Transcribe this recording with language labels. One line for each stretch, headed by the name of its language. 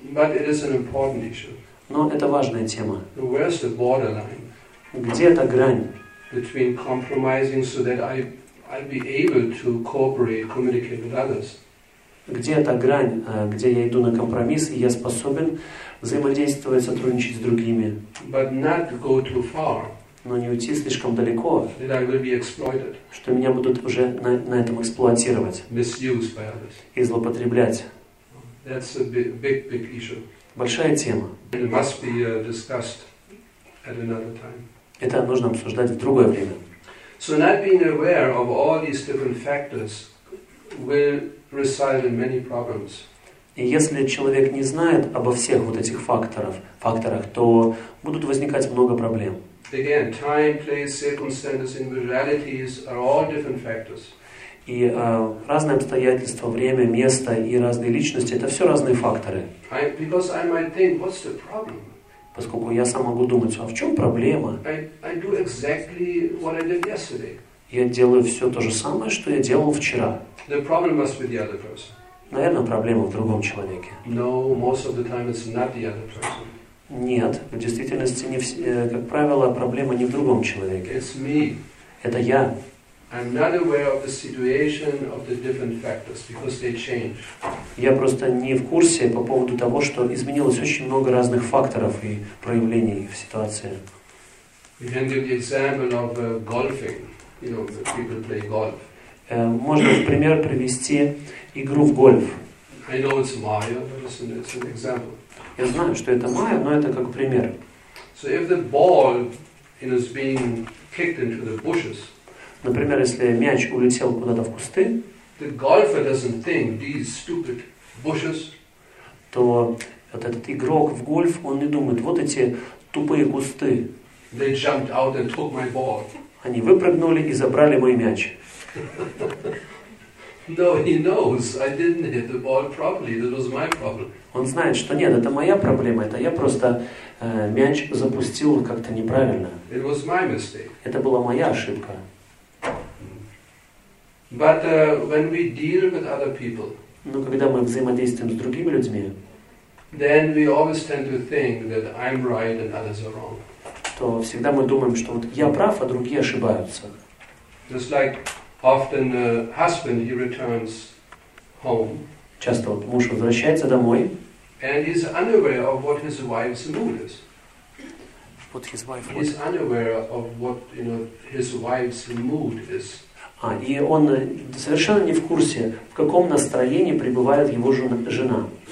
English: But it is an important issue.
Russian: Но это важная тема.
English: Where's the borderline?
Russian: Где эта грань?
English: Between compromising so that I'll be able to cooperate, communicate with others.
Russian: Где эта грань, где я иду на компромисс, и я способен взаимодействовать, сотрудничать с другими?
English: But not go too far.
Russian: Но не уйти слишком далеко.
English: That I will be exploited.
Russian: Что меня будут уже на этом эксплуатировать.
English: Misused by others.
Russian: И злоупотреблять.
English: That's a big issue.
Russian: Большая тема.
English: It must be discussed at another time.
Russian: Это нужно обсуждать в другое время.
English: So not being aware of all these different factors will result in many problems.
Russian: И если человек не знает обо всех вот этих факторах, то будут возникать много проблем.
English: Again, time, place, circumstances, individualities are all different factors.
Russian: И разные обстоятельства, время, место и разные личности — это все разные факторы.
English: Because I might think, what's the problem?
Russian: Поскольку я сам могу думать, а в чем проблема?
English: I do exactly what I did yesterday.
Russian: Я делаю все то же самое, что я делал вчера.
English: The problem must be the other person.
Russian: Наверное, проблема в другом человеке.
English: No, most of the time it's not the other person.
Russian: Нет, в действительности, как правило, проблема не в другом человеке.
English: It's me.
Russian: Это я.
English: I'm not aware of the situation of the different factors because they change.
Russian: Я просто не в курсе по поводу того, что изменилось очень много разных факторов и проявлений в ситуации.
English: We can give the example of golfing. You know, people play golf.
Russian: Можно в пример привести игру в гольф.
English: I know it's Maya, but it's an example.
Russian: Я знаю, что это Maya, но это как пример.
English: So if the ball is being kicked into the bushes.
Russian: Например, если мяч улетел куда-то в кусты,
English: the golfer doesn't think these stupid bushes,
Russian: то вот этот игрок в гольф, он не думает, вот эти тупые кусты.
English: They jumped out and took my ball.
Russian: Они выпрыгнули и забрали мой мяч.
English: No, he knows I didn't hit the ball properly. That was my problem.
Russian: Он знает, что нет, это моя проблема, это я просто мяч запустил как-то неправильно.
English: It was my mistake.
Russian: Это была моя ошибка.
English: But when we deal with other people,
Russian: но когда мы взаимодействуем с другими людьми,
English: then we always tend to think that I'm right and others are wrong.
Russian: То всегда мы думаем, что вот я прав, а другие ошибаются.
English: Just like often a husband he returns home.
Russian: Часто вот муж возвращается домой.
English: And he's unaware of what his wife's mood is. What his wife is. He's unaware of what you know his wife's mood is.
Russian: И он совершенно не в курсе, в каком настроении пребывает его жена.